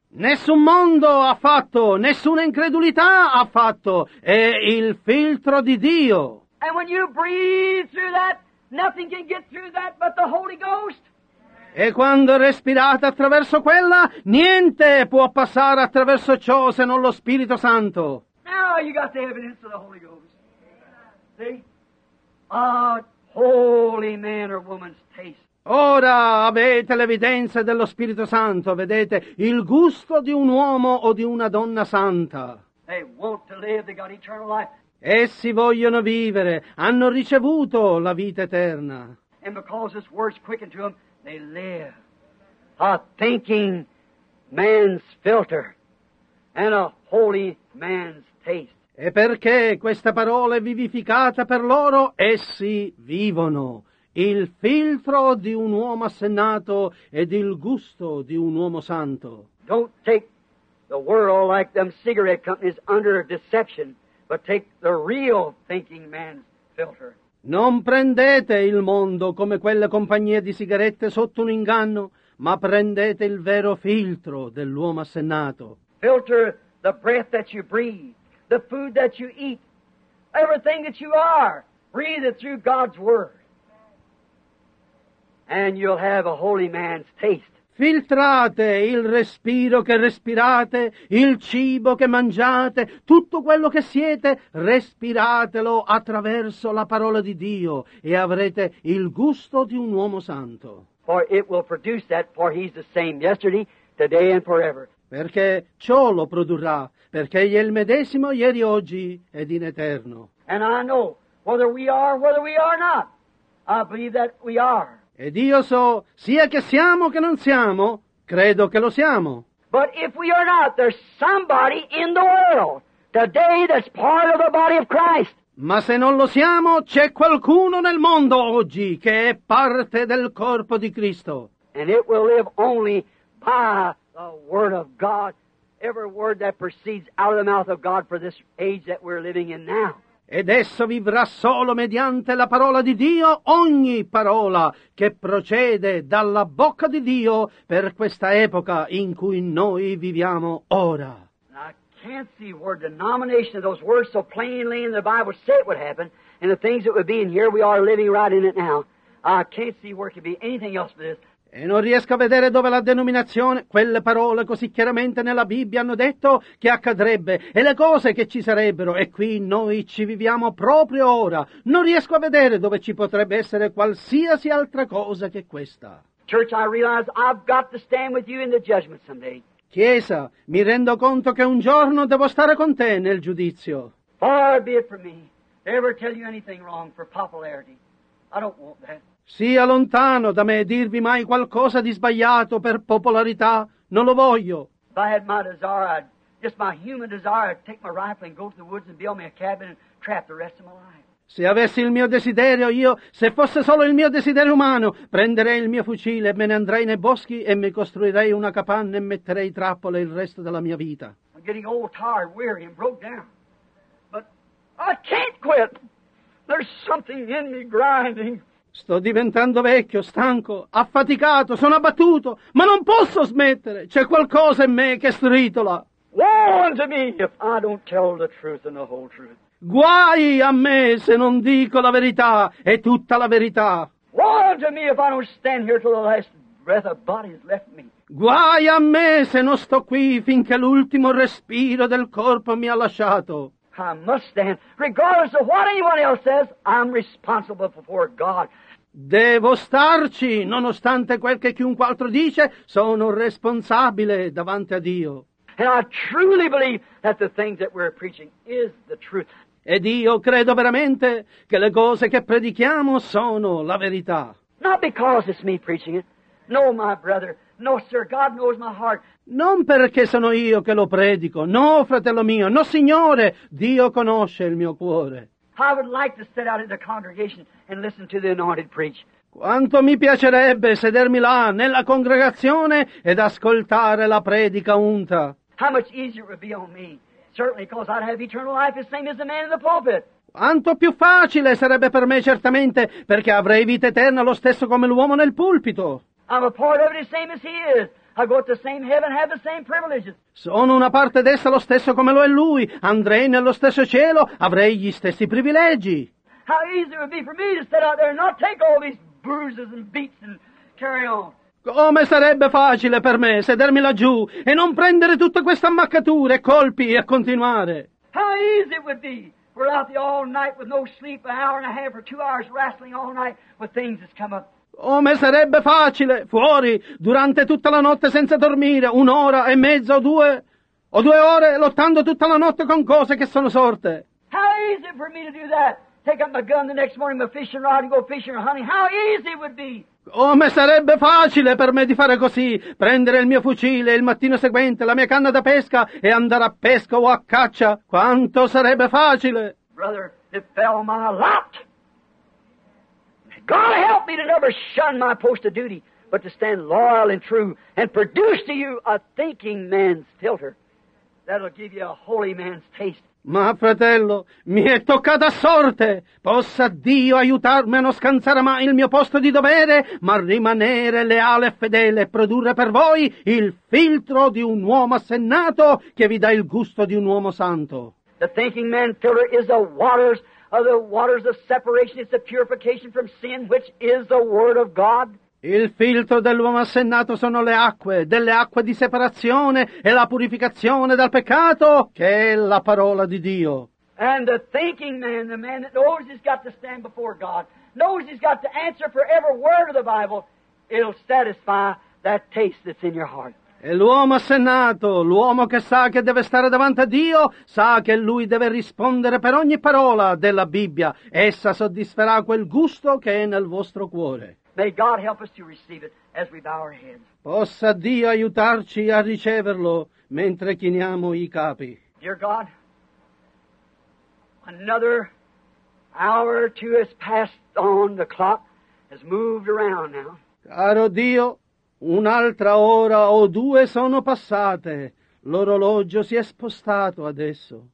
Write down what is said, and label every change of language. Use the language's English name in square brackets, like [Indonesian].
[Italian] Nessun mondo ha fatto, nessuna incredulità ha fatto, è il filtro di Dio. [English] And when you breathe through that, nothing can get through that but the Holy Ghost. [Italian] E quando respirate attraverso quella, niente può passare attraverso ciò se non lo Spirito Santo. [English] Now you got the evidence of the Holy Ghost. See? Ah, holy man or woman's taste. [Italian] Ora avete l'evidenza dello Spirito Santo, vedete, il gusto di un uomo o di una donna santa. [English] They want to live, they got eternal life. [Italian] Essi vogliono vivere, hanno ricevuto la vita eterna. [English] And because this word's quickened to them, they live. A thinking man's filter and a holy man's taste. [Italian] E perché questa parola è vivificata per loro, essi vivono. Il filtro di un uomo assennato ed il gusto di un uomo santo. [English] Don't take the world like them cigarette companies under deception, but take the real thinking man's filter. [Italian] Non prendete il mondo come quelle compagnie di sigarette sotto un inganno, ma prendete il vero filtro dell'uomo assennato. [English] Filter the breath that you breathe, the food that you eat, everything that you are, breathe it through God's word. And you'll have a holy man's taste. [Italian] Filtrate il respiro che respirate, il cibo che mangiate, tutto quello che siete, respiratelo attraverso la parola di Dio e avrete il gusto di un uomo santo. [English] For it will produce that, for he's the same yesterday, today and forever. [Italian] Perché ciò lo produrrà, perché egli è il medesimo ieri, oggi ed in eterno. [English] And I know whether we are not, I believe that we are. [Italian] Ed io so, sia che siamo che non siamo, credo che lo siamo. [English] But if we are not, there's somebody in the world today that's part of the body of Christ. [Italian] Ma se non lo siamo, c'è qualcuno nel mondo oggi che è parte del corpo di Cristo. [English] And it will live only by the word of God, every word that proceeds out of the mouth of God for this age that we're living in now. [Italian] Ed esso vivrà solo mediante la parola di Dio, ogni parola che procede dalla bocca di Dio per questa epoca in cui noi viviamo ora. [English] I can't see where denomination of those words so plainly in the Bible say it would happen, and the things that would be in here, we are living right in it now. I can't see where it could be anything else but this. [Italian] E non riesco a vedere dove la denominazione, quelle parole così chiaramente nella Bibbia hanno detto che accadrebbe e le cose che ci sarebbero, e qui noi ci viviamo proprio ora. Non riesco a vedere dove ci potrebbe essere qualsiasi altra cosa che questa. [English] Church, I realize I've got to stand with you in the judgment someday. [Italian] Chiesa, mi rendo conto che un giorno devo stare con te nel giudizio. [English] Far be it from me to ever tell you anything wrong for popularity. I don't want that. [Italian] Sia lontano da me dirvi mai qualcosa di sbagliato per popolarità. Non lo voglio. [English] If I had my desire, just my human desire, I'd take my rifle and go to the woods and build me a cabin and trap the rest of my life. [Italian] Se avessi il mio desiderio, io, se fosse solo il mio desiderio umano, prenderei il mio fucile e me ne andrei nei boschi e mi costruirei una capanna e metterei trappole il resto della mia vita. [English] I'm getting old, tired, weary and broke down. But I can't quit. There's something in me grinding. [Italian] Sto diventando vecchio, stanco, affaticato, sono abbattuto, ma non posso smettere. C'è qualcosa in me che stritola. [English] Warn to me if I don't tell the truth and the whole truth. [Italian] Guai a me se non dico la verità e tutta la verità. [English] Warn to me if I don't stand here till the last breath of body has left me. [Italian] Guai a me se non sto qui finché l'ultimo respiro del corpo mi ha lasciato. [English] I must stand. Regardless of what anyone else says, I'm responsible before God. [Italian] Devo starci, nonostante quel che chiunque altro dice, sono responsabile davanti a Dio. [English] And I truly believe that the things that we're preaching is the truth. [Italian] Ed io credo veramente che le cose che predichiamo sono la verità. [English] Not because it's me preaching it. No, my brother. No, sir, God knows my heart. [Italian] Non perché sono io che lo predico. No, fratello mio. No, signore. Dio conosce il mio cuore. [English] I would like to sit out in the congregation and listen to the anointed preach. [Italian] Quanto mi piacerebbe sedermi là, nella congregazione, ed ascoltare la predica unta. [English] How much easier it would be on me. Certainly, because I'd have eternal life the same as the man in the pulpit. [Italian] Quanto più facile sarebbe per me, certamente, perché avrei vita eterna lo stesso come l'uomo nel pulpito. [English] I'm a part of it the same as he is. I go to the same heaven, have the same privileges. [Italian] Sono una parte d'essa lo stesso come lo è lui. Andrei nello stesso cielo, avrei gli stessi privilegi. [English] How easy it would be for me to sit out there and not take all these bruises and beats and carry on. [Italian] Come sarebbe facile per me sedermi laggiù e non prendere tutte queste ammaccature, colpi e continuare. [English] How easy it would be. We're out there all night with no sleep, an hour and a half or 2 hours wrestling all night with things that's come up. [Italian] Come sarebbe facile, fuori, durante tutta la notte senza dormire, un'ora e mezza o due ore, lottando tutta la notte con cose che sono sorte. [English] How easy for me to do that? Take up my gun the next morning, my fishing rod, and go fishing or hunting. How easy it would be! [Italian] Come sarebbe facile per me di fare così, prendere il mio fucile il mattino seguente, la mia canna da pesca, e andare a pesca o a caccia. Quanto sarebbe facile! [English] Brother, it fell my lot! God help me to never shun my post of duty, but to stand loyal and true and produce to you a thinking man's filter that'll give you a holy man's taste. [Italian] Ma fratello, mi è toccata sorte. Possa Dio aiutarmi a non scansare mai il mio posto di dovere, ma rimanere leale e fedele e produrre per voi il filtro di un uomo assennato che vi dà il gusto di un uomo santo. [English] The thinking man's filter is the waters of the waters of separation, it's the purification from sin, which is the Word of God. [Italian] Il filtro dell'uomo assennato sono le acque, delle acque di separazione e la purificazione dal peccato, che è la parola di Dio. [English] And the thinking man, the man that knows he's got to stand before God, knows he's got to answer for every word of the Bible, it'll satisfy that taste that's in your heart. [Italian] E l'uomo assennato, l'uomo che sa che deve stare davanti a Dio, sa che lui deve rispondere per ogni parola della Bibbia. Essa soddisferà quel gusto che è nel vostro cuore. [English] May God help us to receive it as we bow our heads. [Italian] Possa Dio aiutarci a riceverlo mentre chiniamo i capi. [English] Dear God, another hour or two has passed on, the clock has moved around now. [Italian] Caro Dio, un'altra ora o due sono passate. L'orologio si è spostato adesso.